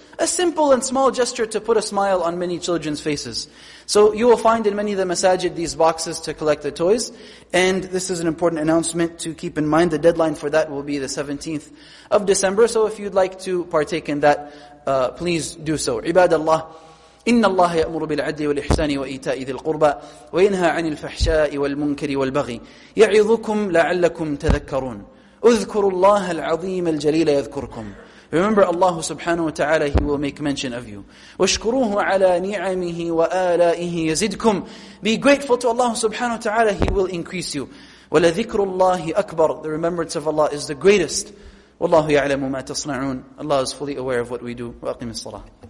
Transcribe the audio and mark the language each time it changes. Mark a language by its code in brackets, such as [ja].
[en] A simple and small gesture to put a smile on many children's faces. So you will find in many of the masajid these boxes to collect the toys. And this is an important announcement to keep in mind. The deadline for that will be the 17th of December. So if you'd like to partake in that, please do so. [ar] Ibadallah. إن الله يأمر بالعدل والإحسان وإيتاء ذي القربى وينهى عن الفحشاء والمنكر والبغي يعظكم لعلكم تذكرون اذكروا الله العظيم الجليل يذكركم. [en] Remember Allah subhanahu wa ta'ala, He will make mention of you. [ar] واشكروه على نعمه وآلائه يزدكم. [en] Be grateful to Allah subhanahu wa ta'ala, He will increase you. [ar] ولذكر الله أكبر. [en] The remembrance of Allah is the greatest. [ar] والله يعلم ما تصنعون. [en] Allah is fully aware of what we do. [ar] وأقم الصلاة.